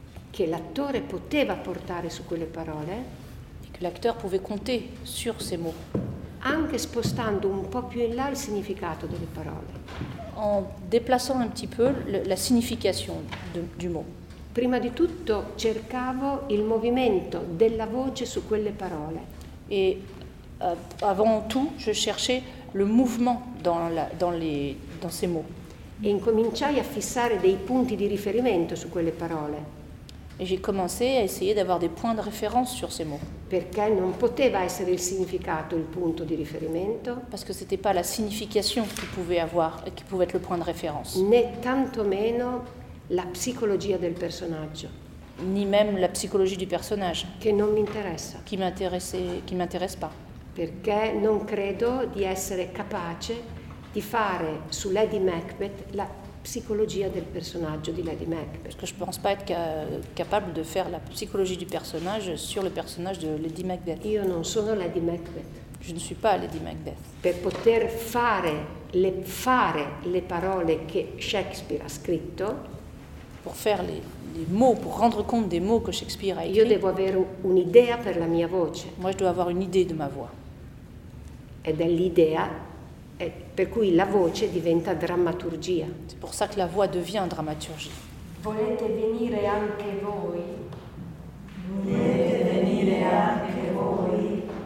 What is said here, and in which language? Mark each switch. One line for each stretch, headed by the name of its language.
Italian: Che l'attore poteva portare su quelle parole, e che l'attore
French: pouvait compter sur ces mots,
Italian: anche spostando un po' più in là il significato delle parole,
French: en déplaçant un petit peu la signification du mot.
Italian: Prima di tutto cercavo il movimento della voce su quelle parole,
French: e avant tout je cherchais le mouvement dans ces mots,
Italian: e incominciai a fissare dei punti di riferimento su quelle parole.
French: Et j'ai commencé à essayer d'avoir des points de référence sur ces mots.
Italian: Perché non poteva essere il significato il punto di riferimento?
French: Parce que c'était pas la signification qui pouvait avoir et qui pouvait être le point de référence.
Italian: Né tantomeno la psicologia del personaggio.
French: Ni même la psychologie du personnage.
Italian: Che non mi interessa.
French: Qui m'intéresse pas.
Italian: Perché non credo di essere capace di fare su Lady Macbeth
French: la psychologie du personnage de Lady Macbeth. Parce que je ne pense pas être capable de faire la psychologie du personnage sur le personnage de Lady Macbeth.
Italian: Io non sono Lady Macbeth.
French: Je ne suis pas Lady Macbeth.
Italian: Per poter fare le parole che Shakespeare ha scritto,
French: pour faire les mots, pour rendre compte des mots que Shakespeare a écrit,
Italian: io devo avere un'idea per la mia voce.
French: Moi je dois avoir une idée de ma voix.
Italian: Ed è l'idea. Per cui la voce diventa drammaturgia.
French: C'est pour ça que la voix devient dramaturgie.
Italian: Volete venire anche voi? Volete venire anche voi?